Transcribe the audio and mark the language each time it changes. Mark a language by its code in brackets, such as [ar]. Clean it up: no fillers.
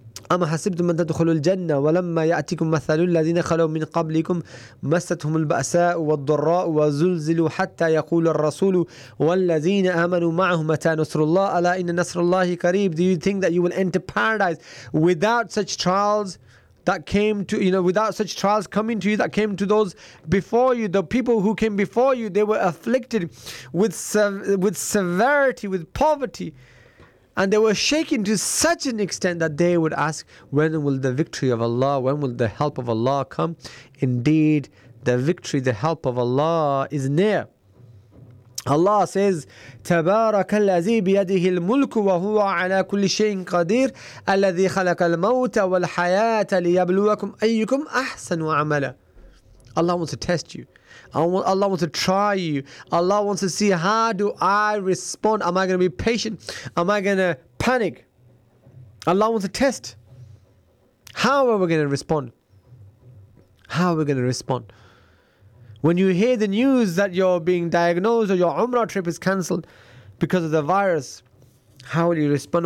[ar] أما حسبتم أن تدخلوا الجنة ولما يأتكم مثل الذين خلوا من قبلكم مستهم البأساء والضراء وزلزلوا حتى يقول الرسول والذين آمنوا معه متى نصر الله ألا إن نصر الله قريب. [en] Do you think that you will enter paradise without such trials that came to, you know, without such trials coming to you, that came to those before you, the people who came before you? They were afflicted with severity, with poverty. And they were shaken to such an extent that they would ask, when will the victory of Allah, when will the help of Allah come? Indeed, the victory, the help of Allah is near. Allah says, [ar] تبارك الذي بيده الملك وهو على كل شيء قدير الذي خلق الموت والحياة ليبلوكم أيكم أحسن عملا. [en] Allah wants to test you. Allah wants to try you. Allah wants to see, how do I respond? Am I going to be patient? Am I going to panic? Allah wants to test. How are we going to respond? How are we going to respond? When you hear the news that you're being diagnosed or your Umrah trip is cancelled because of the virus, how will you respond?